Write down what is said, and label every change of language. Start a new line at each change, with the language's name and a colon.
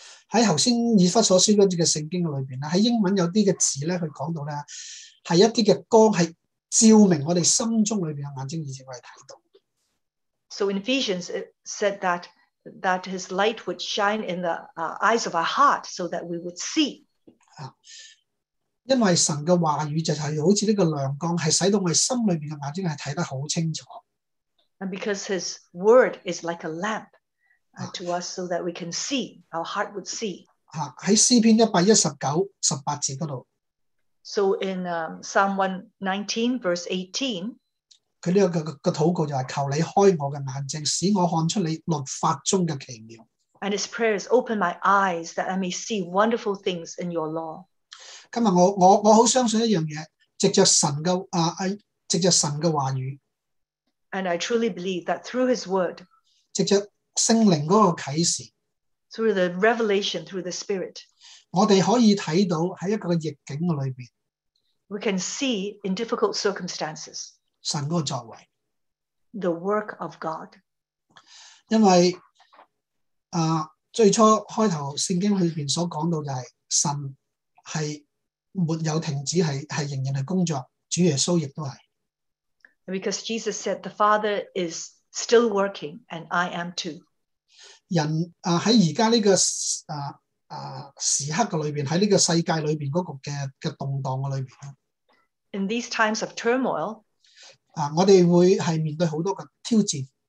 Chinese: 在剛才以弗所書的聖經裡面，在英文有些字呢，它講到呢，是一些光，是照明我們心中裡面的眼睛，以致我們看到。
English: So in Ephesians it said that his light would shine in the eyes of our heart so that we would see.
Chinese: 因为神的话语就是好像这个亮光，是使到我们心里面的眼睛是看得很清楚。
English: And because his word is like a lamp to us so that we can see, our heart would see.
Chinese: 在诗篇119:18节那里。
English: So in Psalm 119, verse 18,
Chinese: 他这个祷告就是求你开我的眼睛，使我看出你律法中的奇妙。
English: And his prayer is, open my eyes that I may see wonderful things in your law.
Chinese: 今天我很相信一件事，藉着神的话语。
English: And I truly believe that through his word,
Chinese: 藉着圣灵的启示,
English: through the revelation, through the spirit,
Chinese: 我们可以看到在一个逆境里面,
English: we can see in difficult circumstances,
Chinese: 神的作为,
English: the work of God.
Chinese: 因为, 最初开头圣经里面所讲到就是神是没有停止，是仍然是工作，主耶稣也都是。
English: Because Jesus said, the Father is still working, and I am too.
Chinese: 人, 在现在这个时刻里面，在这个世界里面那个的动荡里面。
English: In these times of turmoil,
Chinese: 我们会面对很多的挑战。